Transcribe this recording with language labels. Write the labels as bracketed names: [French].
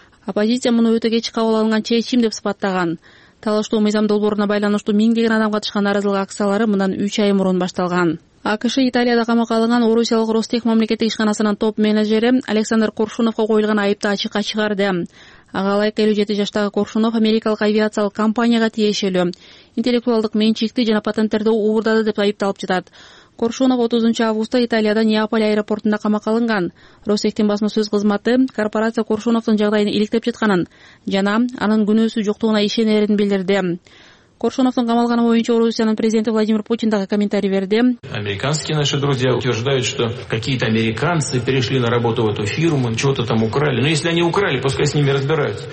[Kyrgyz] Оппозиция муну өтө кеч кабыл алынган чечим деп сыпаттаган. Талаштуу мыйзам долбооруна байланыштуу миңдеген адам катышкан нааразылык акциялары мындан 3 ай мурун башталган. АКШ Италияда камакка алынган Орусиялык Ростех мамлекеттик ишканасынын топ менеджери Александр Коршуновго коюлган айыпты ачыкка чыгарды. Ага ылайык 57 жаштагы Коршунов Америкалык авиациялык компанияга тиешелүү интеллектуалдык менчикти жана патенттерди уурдады деп айыпталып жатат. Коршунов 30 августта Италияда Неаполь аэропортунда камакка алынган. Ростехтин басма сөз кызматы корпорация Коршуновдун жагдайын иликтеп жатканын жана анын күнөөсү жоктугуна ишенерин билдирди. Коршуновдун камалганы боюнча Орусиянын президенти Владимир Путин дагы комментарий берди. [Russian] Американские наши друзья утверждают, что какие-то американцы перешли на работу в эту фирму, чего-то там украли. Но если они украли, пускай с ними разбираются.